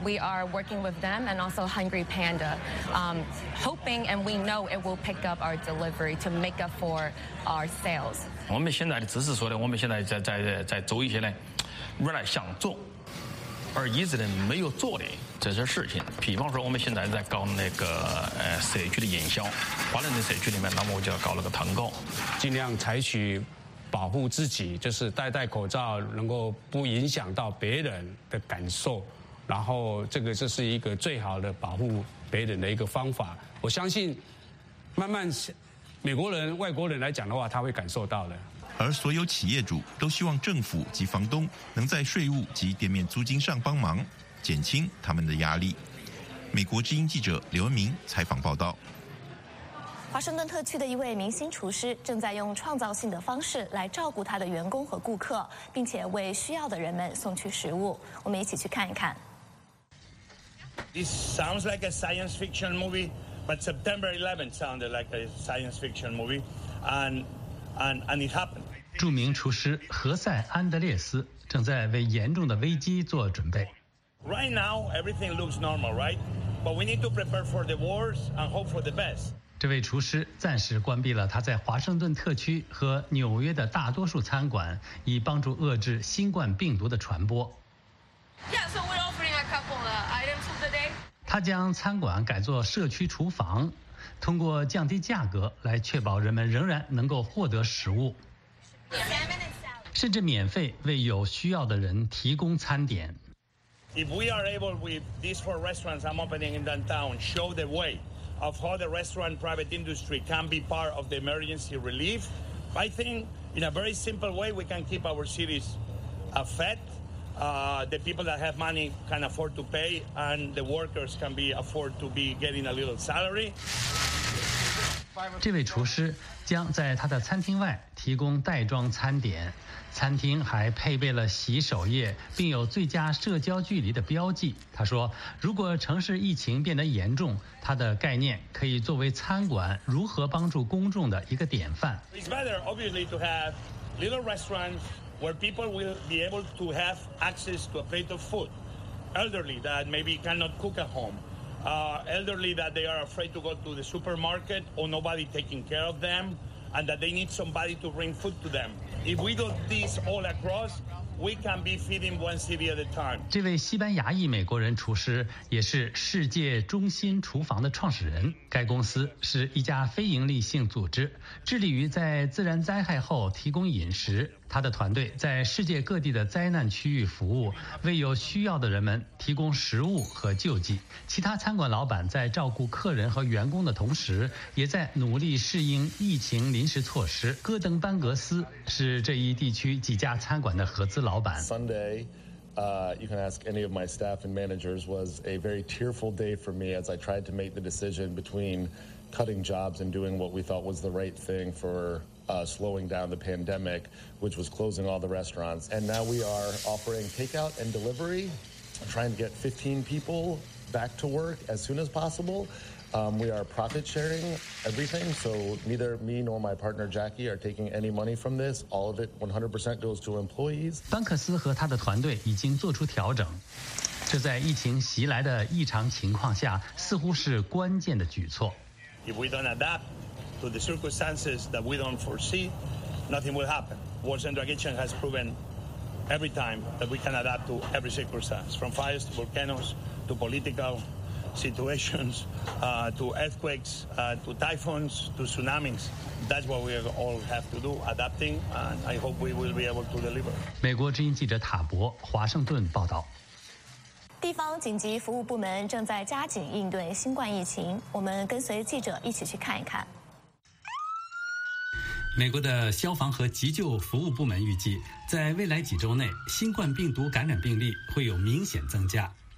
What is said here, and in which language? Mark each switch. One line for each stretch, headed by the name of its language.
English: We are working with them and also Hungry Panda, hoping and we know it will pick up our delivery to make up for our sales.
Chinese: 我们现在的只是说的，我们现在在做一些呢，原来想做而一直的没有做的。这些事情，比方说我们现在在搞那个社区的营销，华人的社区里面，那么我就要搞了个团购，尽量采取保护自己，就是戴口罩，能够不影响到别人的感受，然后这个就是一个最好的保护别人的一个方法。我相信慢慢美国人外国人来讲的话，他会感受到的。而所有企业主都希望政府及房东能在税务及店面租金上帮忙，减轻他们的压力。美国之音记者刘文明采访报道。华盛顿特区的一位明星厨师正在用创造性的方式来照顾他的员工和顾客，并且为需要的人们送去食物。我们一起去看一看。
English: This sounds like a science fiction movie, but September 11 sounded like a science fiction movie, and it happened.
Chinese: 著名厨师何塞·安德烈斯正在为严重的危机做准备。
English: Right now, everything looks normal, right? But we need to prepare for the worst and hope for the best.
Chinese: 这位厨师暂时关闭了他在华盛顿特区和纽约的大多数餐馆，以帮助遏制新冠病毒的传播。
English: Yeah, so we're offering a couple of items of the day.
Chinese: 他将餐馆改作社区厨房，通过降低价格来确保人们仍然能够获得食物，甚至免费为有需要的人提供餐点。
English: If we are able with these 4 restaurants I'm opening in downtown, show the way of how the restaurant private industry can be part of the emergency relief, I think in a very simple way we can keep our cities fed, the people that have money can afford to pay, and the workers can be afford to be getting a little salary.
Chinese: 这位厨师将在他的餐厅外提供袋装餐点。餐厅还配备了洗手液，并有最佳社交距离的标记。他说，如果城市疫情变得严重，他的概念可以作为餐馆如何帮助公众的一个典范。
English: It's better, obviously, to have little restaurants where people will be able to have access to a plate of food. Elderly that maybe cannot cook at home. Elderly that they are afraid to go to the supermarket or nobody taking care of them, and that they need somebody to bring food to them. If we do this all across, we can be feeding one city at a time.
Chinese: 这位西班牙裔美国人厨师也是世界中心厨房的创始人。该公司是一家非盈利性组织，致力于在自然灾害后提供饮食。他的团队在世界各地的灾难区域服务，为有需要的人们提供食物和救济。其他餐馆老板在照顾客人和员工的同时，也在努力适应疫情临时措施。戈登班格斯是这一地区几家餐馆的合资老板。
English: Sunday, you can ask any of my staff and managers, was a very tearful day for me as I tried to make the decision between cutting jobs and doing what we thought was the right thing for. Slowing down the pandemic, which was closing all the restaurants. And now we are offering takeout and delivery, trying to get 15 people back to work as soon as possible. We are profit sharing everything, so neither me nor my partner Jackie are taking any money from this. All of it 100% goes to employees.
Chinese: 班克斯和他的团队已经做出调整，这在疫情袭来的异常情况下似乎是关键的举措。
English: If we don't adapt,to the circumstances that we don't foresee, nothing will happen. Wars and Drug Kitchen has proven every time that we can adapt to every circumstance, from fires to volcanoes, to political situations, to earthquakes, to typhoons, to tsunamis. That's what we all have to do, adapting, and I hope we will be able to deliver.
Chinese: 美国之音记者塔博，华盛顿报道。地方紧急服务部门正在加紧应对新冠疫情，我们跟随记者一起去看一看。美国的消防和急救服务部门预计，在未来几周内，新冠病毒感染病例会有明显增加。